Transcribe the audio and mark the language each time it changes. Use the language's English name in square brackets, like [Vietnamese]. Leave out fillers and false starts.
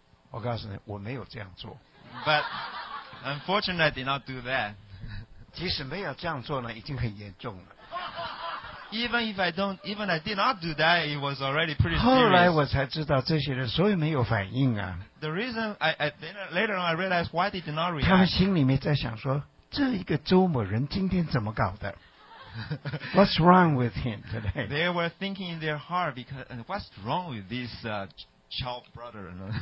[Chinese] 我告诉你, 我没有这样做。 [English] But unfortunately, I did not do that. [Chinese] 即使没有这样做呢, 已经很严重了。 [English] Even I did not do that, it was already pretty serious. [Chinese] 后来我才知道这些人所以没有反应啊。 [English] The reason later on I realized why they did not react. [Chinese] 他们心里面在想说，这一个周末人今天怎么搞的？ [English] What's wrong with him today? They were thinking in their heart because what's wrong with this child brother?